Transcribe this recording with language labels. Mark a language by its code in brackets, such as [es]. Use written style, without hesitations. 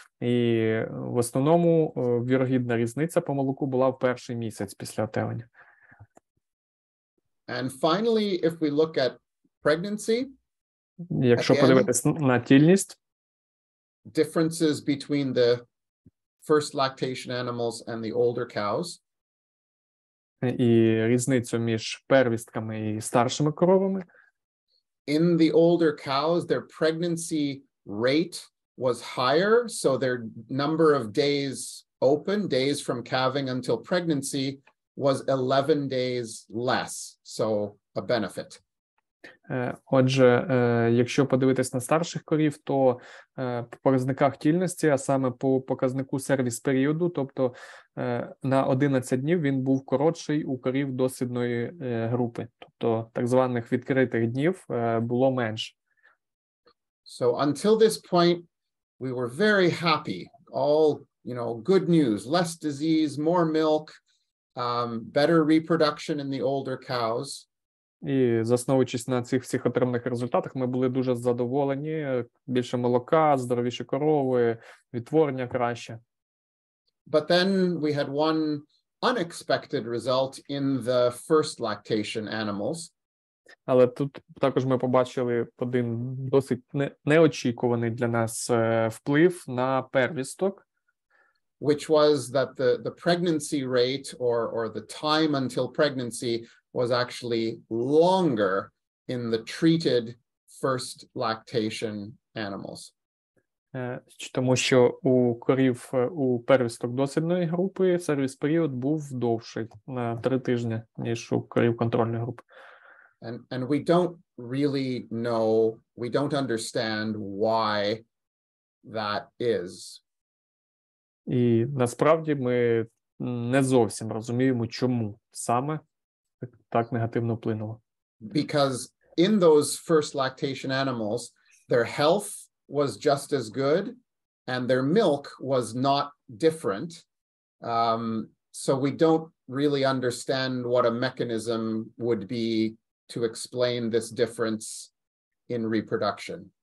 [uk] І в основному вірогідна різниця по молоку була в перший місяць після отелення. [en] And finally, if we look at pregnancy, [uk] якщо [en] again, [uk] подивитись на тільність, [en] differences between the first lactation animals and the older cows, [uk] і різницю між первістками і старшими коровами. [en] In the older cows, their pregnancy rate was higher, so their number of days open, days from calving until pregnancy, was 11 days less, so a benefit. [uk] Отже, якщо подивитись на старших корів, то по показниках тільності, а саме по показнику сервіс-періоду, тобто на 11 днів він був коротший у корів дослідної групи, тобто так званих відкритих днів було менше. [en] So until this point we were very happy, all, you know, good news, less disease, more milk, better reproduction in the older cows. [uk] І засновуючись на цих всіх отриманих результатах, ми були дуже задоволені. Більше молока, здоровіші корови, відтворення краще. [en] But then we had one unexpected result in the first lactation animals. [uk] Але тут також ми побачили один досить неочікуваний для нас вплив на первісток. [en] Which was that the pregnancy rate or the time until pregnancy was actually longer in the treated first lactation animals. [uk] Тому що у корів у первісток дослідної групи сервіс-період був довший на 3 тижні, ніж у корів контрольної групи. [en] And we don't really know, we don't understand why that is. [uk] І насправді ми не зовсім розуміємо, чому саме так негативно вплинуло. [en] Because in those first lactation animals, their health was just as good and their milk was not different. So we don't really understand what a mechanism would be to explain this difference in reproduction.